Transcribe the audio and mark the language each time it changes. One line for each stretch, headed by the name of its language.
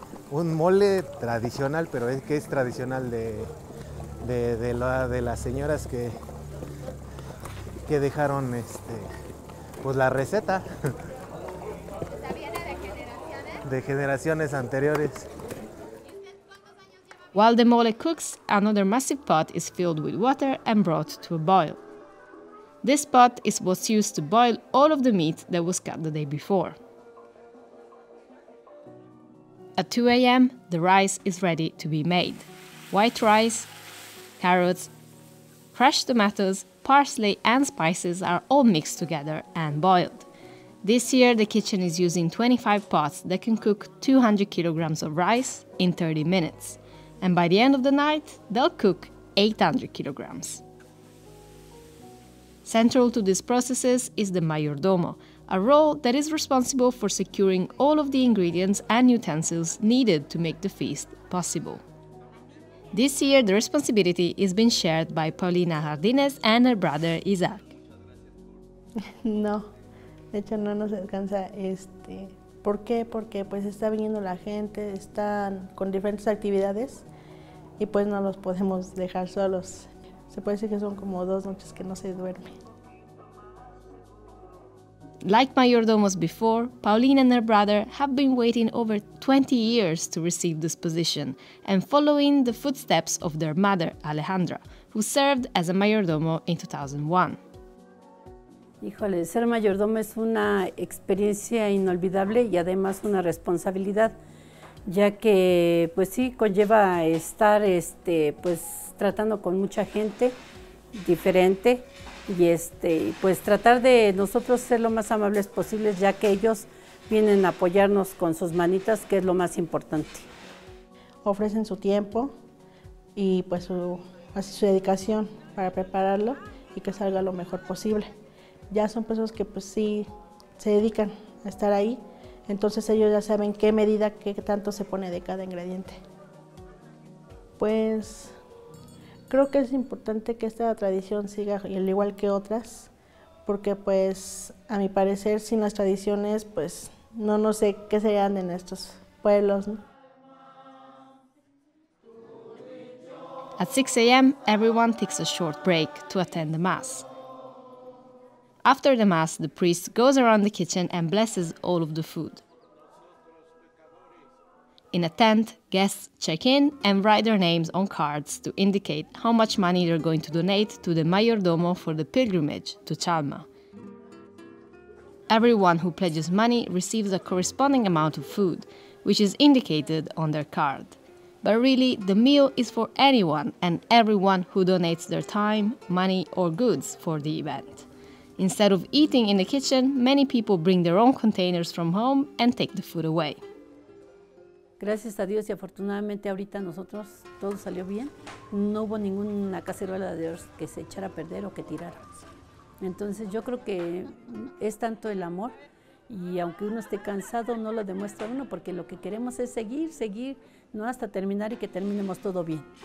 Spanish: Un mole tradicional, pero es que es tradicional de las señoras que dejaron pues la receta. ¿La viene de generaciones? De generaciones anteriores.
English: While the mole cooks, another massive pot is filled with water and brought to a boil. This pot is what's used to boil all of the meat that was cut the day before. At 2 a.m., the rice is ready to be made. White rice, carrots, crushed tomatoes, parsley and spices are all mixed together and boiled. This year, the kitchen is using 25 pots that can cook 200 kilograms of rice in 30 minutes. And by the end of the night, they'll cook 800 kilograms. Central to these processes is the mayordomo, a role that is responsible for securing all of the ingredients and utensils needed to make the feast possible. This year, the responsibility has been shared by Paulina Jardines and her brother Isaac.
Spanish: No, de hecho no nos alcanza este. ¿Por qué? Porque pues está viniendo la gente, están con diferentes actividades y pues no los podemos dejar solos. Se puede decir que son como dos noches que no se duerme.
English: Like mayordomos before, Pauline and her brother have been waiting over 20 years to receive this position and following the footsteps of their mother, Alejandra, who served as a mayordomo in 2001.
Spanish: Híjole, ser mayordomo es una experiencia inolvidable y además una responsabilidad, ya que, pues sí, conlleva estar pues tratando con mucha gente diferente y pues tratar de nosotros ser lo más amables posibles, ya que ellos vienen a apoyarnos con sus manitas, que es lo más importante. Ofrecen su tiempo y pues su dedicación para prepararlo y que salga lo mejor posible. Ya son personas que pues sí se dedican a estar ahí, entonces ellos ya saben qué medida, qué tanto se pone de cada ingrediente. Pues creo que es importante que esta tradición siga al igual que otras, porque pues a mi parecer sin las tradiciones pues no sé qué serían de nuestros pueblos, ¿no?
English: At 6 a.m. everyone takes a short break to attend the mass. After the mass, the priest goes around the kitchen and blesses all of the food. In a tent, guests check in and write their names on cards to indicate how much money they're going to donate to the mayordomo for the pilgrimage to Chalma. Everyone who pledges money receives a corresponding amount of food, which is indicated on their card. But really, the meal is for anyone and everyone who donates their time, money or goods for the event. Instead of eating in the kitchen, many people bring their own containers from home and take the food away.
Spanish: Gracias a Dios y afortunadamente ahorita nosotros todo salió bien. No hubo ninguna cacerola de Dios que se echara a perder o que tirara. Entonces yo creo que es tanto el amor y aunque uno esté cansado no lo demuestra uno porque lo que queremos es seguir, no hasta terminar y que terminemos todo bien.